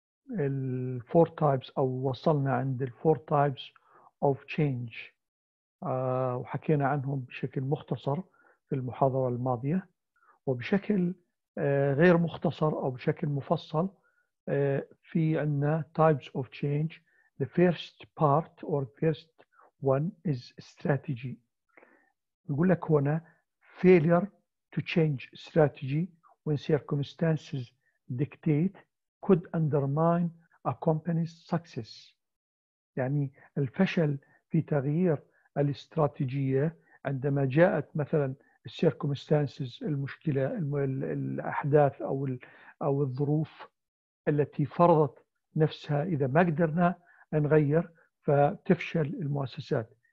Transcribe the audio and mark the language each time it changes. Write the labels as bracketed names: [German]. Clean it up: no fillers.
[Arabic] الفور تايبس أو وصلنا عند الفور تايبس of change وحكينا عنهم بشكل مختصر في المحاضرة الماضية, وبشكل غير مختصر أو بشكل مفصل في عندنا types of change. [English] The first part or first one is strategy. [Arabic] يقول لك هنا [English] failure to change strategy when circumstances dictate could undermine a company's success. [Arabic] يعني الفشل في تغيير الاستراتيجية عندما جاءت مثلا circumstances المشكلة الأحداث أو الظروف التي فرضت نفسها, إذا ما قدرنا نغير فتفشل المؤسسات.